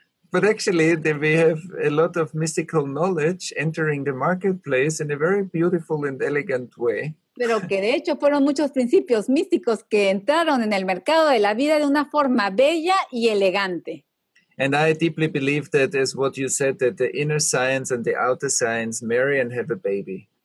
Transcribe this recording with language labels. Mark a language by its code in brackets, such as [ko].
[en] But actually, we have a lot of mystical knowledge entering the marketplace in a very beautiful and elegant way. [es] Pero que de hecho fueron muchos principios místicos que entraron en el mercado de la vida de una forma bella y elegante. [en] And I deeply believe that is what you said, that the inner science and the outer science marry and have a baby.